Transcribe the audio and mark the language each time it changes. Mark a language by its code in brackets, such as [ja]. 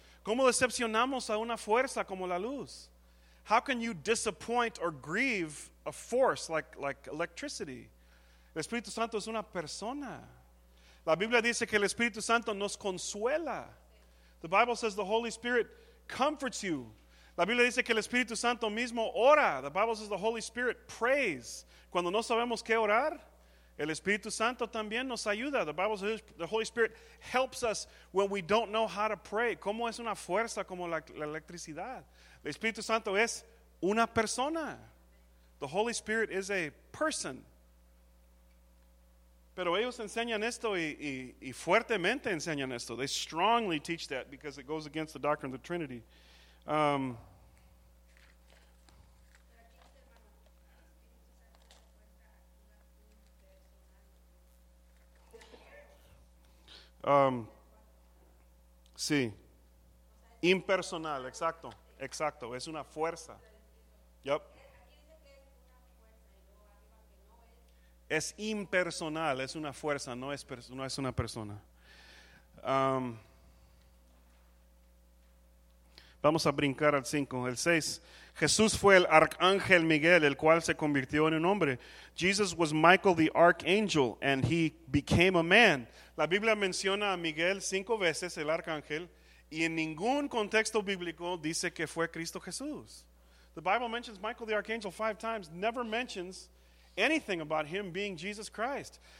[es] ¿Cómo decepcionamos a una fuerza como la luz? [en] How can you disappoint or grieve a force like electricity? [es] El Espíritu Santo es una persona. La Biblia dice que el Espíritu Santo nos consuela. [en] The Bible says the Holy Spirit comforts you. [es] La Biblia dice que el Espíritu Santo mismo ora. [en] The Bible says the Holy Spirit prays. [es] Cuando no sabemos qué orar, el Espíritu Santo también nos ayuda. [en] The Bible says the Holy Spirit helps us when we don't know how to pray. [es] ¿Cómo es una fuerza como la electricidad? El Espíritu Santo es una persona. [en] The Holy Spirit is a person. [es] Pero ellos enseñan esto y fuertemente enseñan esto. [en] They strongly teach that because it goes against the doctrine of the Trinity. [es] Sí. Impersonal, exacto. Exacto, es una fuerza. Yep. Es impersonal, es una fuerza, no es una persona. Vamos a brincar al 5, el 6. Jesús fue el arcángel Miguel, el cual se convirtió en un hombre. [en] Jesus was Michael the archangel, and he became a man. [es] La Biblia menciona a Miguel 5 veces, el arcángel, y en ningún contexto bíblico dice que fue Cristo Jesús. [en] The Bible mentions Michael the archangel 5 times, never mentions anything about him being Jesus Christ.